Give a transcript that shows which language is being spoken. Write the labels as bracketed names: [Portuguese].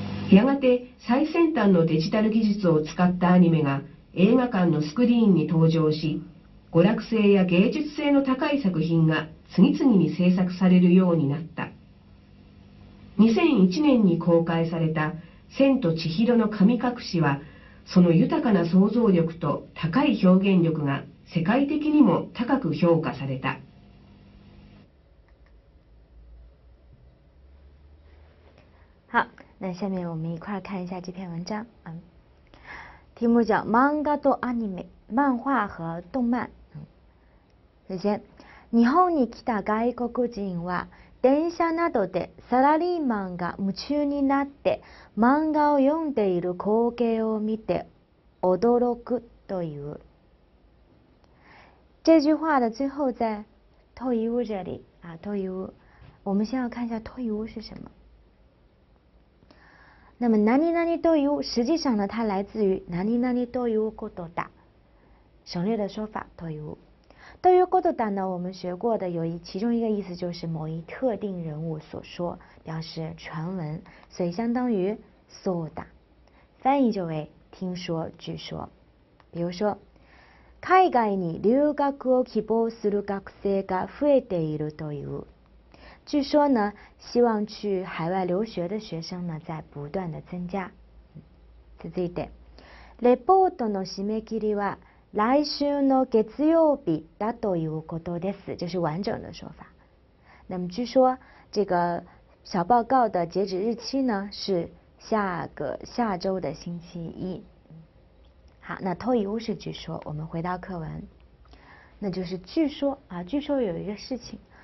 [Japanese] やがて最先端のデジタル技術を使ったアニメが映画館のスクリーンに登場し、娯楽性や芸術性の高い作品が次々に制作されるようになった。 2001年に公開された「千と千尋の神隠し」はその豊かな想像力と高い表現力が世界的にも高く評価された。 [Chinese] 好、那下面我们一块看一下这篇文章。题目叫 [Japanese] 漫画とアニメ、 [Chinese] 漫画和动漫。首先， [Japanese] 日本に来た外国人は電車などでサラリーマンが夢中になって漫画を読んでいる光景を見て驚くという。 [Chinese] 这句话的最后在“という”这里啊，“という”，我们先要看一下“という”是什么。那么“何々という”实际上呢，它来自于“何々ということだ”，省略的说法“という”。对于过度党呢，我们学过的有一其中一个意思就是某一特定人物所说，表示传闻，所以相当于そうだ，翻译就为听说、据说。比如说， [Japanese] 海外に留学を希望する学生が増えているという。 [Chinese] 据说呢，希望去海外留学的学生呢在不断的增加。 [Japanese] 続いて、レポートの締め切りは来週の月曜日だということです。 [Chinese] 这是完整的说法。那么据说这个小报告的截止日期呢是下周的星期一。好，那という是据说。我们回到课文，那就是据说啊，据说有一个事情。